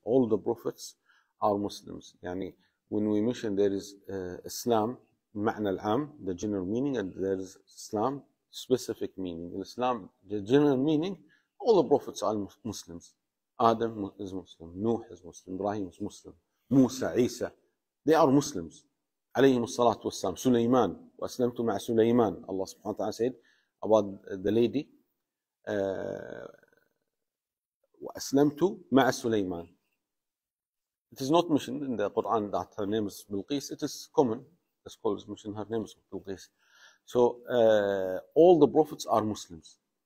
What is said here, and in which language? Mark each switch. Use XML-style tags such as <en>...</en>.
<en>All the prophets are Muslims. يعني when we mention there is Islam,</en> <ar>معنى العام,</ar> <en>the general meaning, and there is Islam, specific meaning. In Islam, the general meaning, all the prophets are Muslims. Adam is Muslim, Nuh is Muslim, Ibrahim is Muslim, Musa, Isa, they are Muslims.</en> <ar>عليهم الصلاة والسلام. سليمان وأسلمت مع سليمان.</ar> <en>Allah</en> <ar>سبحانه وتعالى</ar> <en>said about the lady.</en> <ar>وأسلمت مع سليمان.</ar> <en>It is not mentioned in the Quran that her name is Bilqis. It is common. The scholars mention her name is Bilqis. So all the prophets are Muslims.</en>